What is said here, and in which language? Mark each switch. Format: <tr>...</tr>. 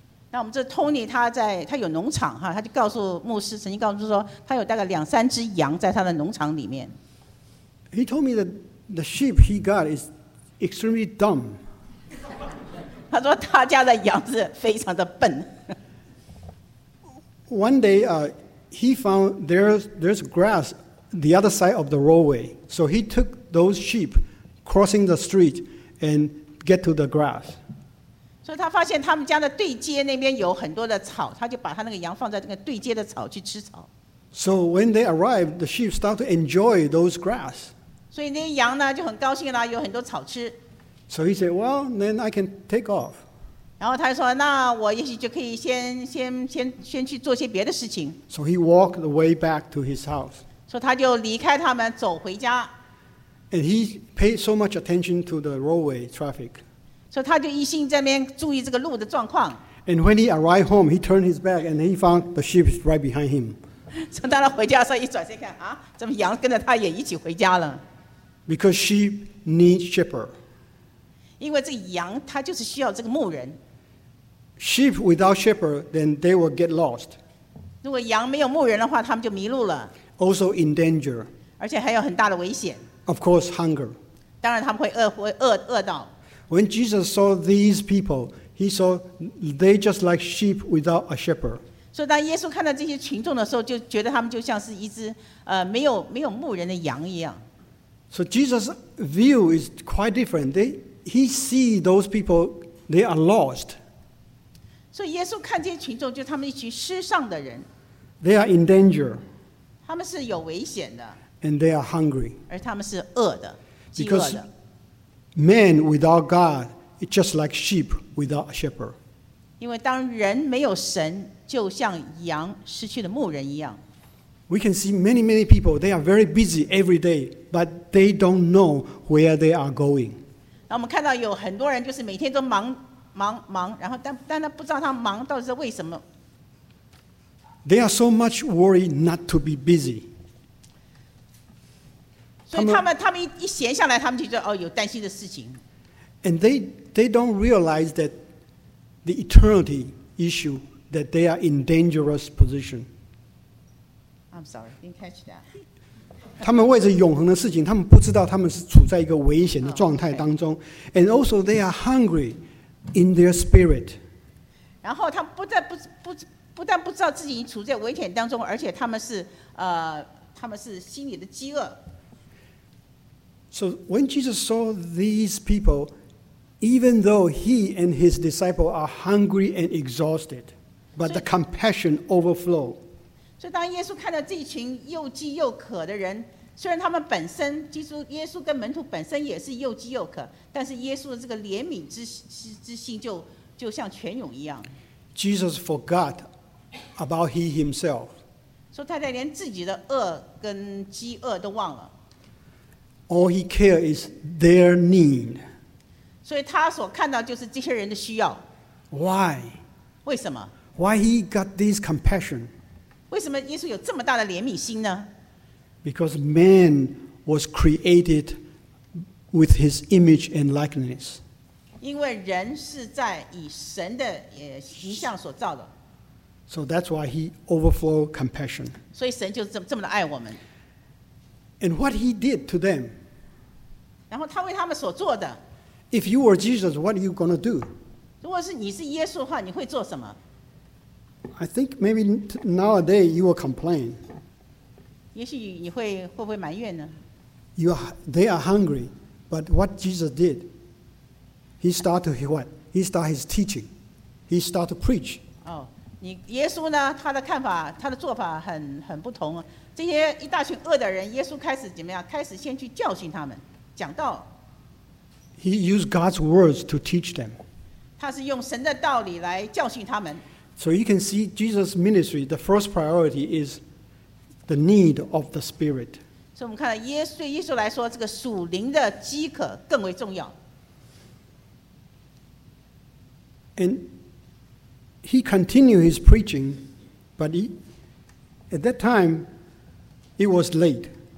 <zh>那我们这 Tony 他有农场哈，他就告诉牧师，曾经告诉说他有大概两三只羊在他的农场里面。</zh> <en>He told me that the sheep he got is. Extremely dumb.</en> <zh>他说他家的羊是非常的笨。</zh> <en>One day, he found there's grass the other side of the roadway. So he took those sheep crossing the street and get to the grass.</en> <zh>所以他发现他们家的对街那边有很多的草，他就把他那个羊放在那个对街的草去吃草。</zh> <en>So when they arrived, the sheep start to enjoy those grass.</en> <zh>所以那些羊呢就很高兴啦，有很多草吃。</zh> <en>So he said, "Well, then I can take off."</en> <zh>然后他说，那我也许就可以先去做些别的事情。</zh> <en>So he walked the way back to his house.</en> <zh>所以他就离开他们，走回家。</zh> <en>And he paid so much attention to the roadway traffic.</en> <zh>所以他就一心在那边注意这个路的状况。</zh> <en>And when he arrived home, he turned his back and he found the sheep right behind him.</en> <zh>从当他回家的时候一转身看啊，怎么羊跟着他也一起回家了？</zh> <en>Because sheep need shepherd.</en> <zh>因为这羊它就是需要这个牧人。</zh> <en>Sheep without shepherd, then they will get lost.</en> <zh>如果羊没有牧人的话，他们就迷路了。</zh> <en>Also in danger.</en> <zh>而且还有很大的危险。</zh> <en>Of course, hunger.</en> <zh>当然他们会饿到。</zh> <en>When Jesus saw these people, he saw they just like sheep without a shepherd.</en> <zh>所以当耶稣看到这些群众的时候，就觉得他们就像是一只没有牧人的羊一样。</zh> <en>So Jesus' view is quite different. He sees those people, they are lost.</en> <zh>So 耶稣看这些群众，就是他们一群失丧的人。</zh> <en>They are in danger.</en> <zh>他们是有危险的。</zh> <en>And they are hungry.</en> <zh>而他们是饿的，饥饿的。</zh> <en>Because man without God is just like sheep without a shepherd.</en> <zh>因为当人没有神，就像羊失去了牧人一样。</zh> <en>We can see many, many people, they are very busy every day, but they don't know where they are going.</en> <zh>那我们看到有很多人就是每天都忙忙忙，然后但他不知道他忙到底是为什么。</zh> <en>They are so much worried not to be busy.</en> <zh>所以他们 一闲下来，他们就说哦，有担心的事情。</zh> <en>And they don't realize that the eternity issue, that they are in dangerous position. I'm sorry, didn't catch that.</en> <zh>他们为着永恒的事情，他们不知道他们是处在一个危险的状态当中。</zh> <en>Oh, okay. And also, they are hungry in their spirit.</en> <zh>然后他们不但不知道自己处在危险当中，而且他们是心里的饥饿。</zh> <en>So when Jesus saw these people, even though he and his disciples are hungry and exhausted, but the compassion overflowed.</en> <zh>所以当耶稣看到这群又饥又渴的人，虽然他们本身，耶稣跟门徒本身也是又饥又渴，但是耶稣的这个怜悯 之心 就像泉涌一样。</zh> <en>Jesus forgot about he himself.</en> <zh>所以他连自己的饿跟饥饿都忘了。</zh> <en>All he cares is their need.</en> <zh>所以他所看到就是这些人的需要。</zh> <en>Why?</en> <zh>为什么？</zh> <en>Why he got this compassion?</en> <zh>为什么耶稣有这么大的怜悯心呢？</zh> <en>Because man was created with his image and likeness.</en> <zh>因为人是在以神的形象所造的。</zh> <en>So that's why he overflowed compassion.</en> <zh>所以神就这么的爱我们。</zh> <en>And what he did to them.</en> <zh>然后他为他们所做的。</zh> <en>If you were Jesus, what are you going to do?</en> <zh>如果你是耶稣的话，你会做什么？</zh> <en>I think maybe nowadays you will complain.</en> <zh>也许你会不会埋怨呢？</zh> <en>They are hungry, but what Jesus did, he started what? He started his teaching. He started to preach.</en> <zh>哦，你耶稣呢？他的看法，他的做法很不同。这些一大群饿的人，耶稣开始怎么样？开始先去教训他们，讲道。</zh> <en>He used God's words to teach them.</en> <zh>他是用神的道理来教训他们。</zh> <en>So you can see Jesus' ministry, the first priority is the need of the Spirit. So we can see that for Jesus, this spiritual hunger is even more important. And he continued his preaching, but at that time, it was late.</en>